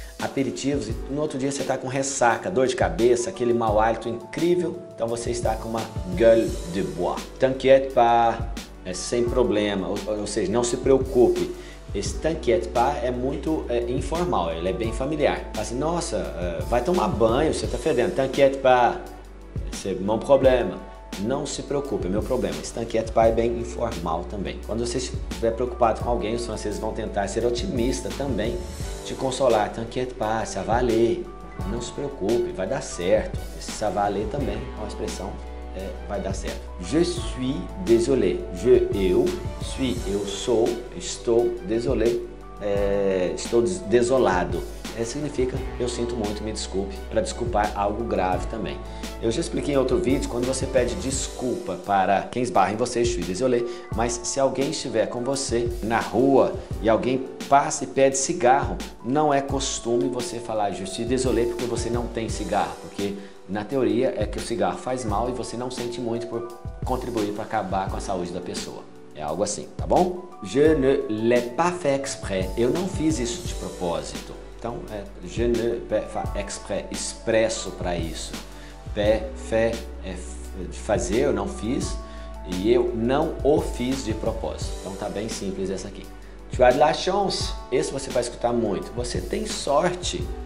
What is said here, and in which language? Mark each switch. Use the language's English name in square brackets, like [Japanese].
[Portuguese] Aperitivos, e no outro dia você está com ressaca, dor de cabeça, aquele mau hálito incrível. Então você está com uma gueule de bois. [French] T'inquiète pas, [Portuguese] é sem problema, ou seja, não se preocupe. Esse [French] t'inquiète pas [Portuguese] é muito informal, ele é bem familiar. Assim, nossa, vai tomar banho, você tá fedendo. [French] T'inquiète pas, c'est mon problème. [Portuguese] Não se preocupe, é meu problema. Esse [French] t'inquiète pas [Portuguese] é bem informal também. Quando você estiver preocupado com alguém, os franceses vão tentar ser otimista também, te consolar. [French] T'inquiète pas, ça va aller. [Portuguese] Não se preocupe, vai dar certo. Esse [French] ça va aller [Portuguese] também é uma expressão, vai dar certo. [French] Je suis désolé. Je, [Portuguese] eu. [French] Suis, [Portuguese] eu sou. Estou désolé. Estou desolado. Significa, eu sinto muito, me desculpe. Para desculpar algo grave também. Eu já expliquei em outro vídeo, quando você pede desculpa para quem esbarra em você, [French] je suis désolé. [Portuguese] Mas se alguém estiver com você na rua e alguém passa e pede cigarro, não é costume você falar [French] je suis désolé [Portuguese] porque você não tem cigarro. Porque na teoria é que o cigarro faz mal e você não sente muito por contribuir para acabar com a saúde da pessoa. É algo assim, tá bom? [French] Je ne l'ai pas fait exprès. [Portuguese] Eu não fiz isso de propósito. Então é [French] je ne l'ai pas fait exprès, [Portuguese] expresso para isso. Pé, fé é fazer, eu não fiz. E eu não o fiz de propósito. Então tá bem simples essa aqui. [French] Tu as de la chance. [Portuguese] Esse você vai escutar muito. Você tem sorte.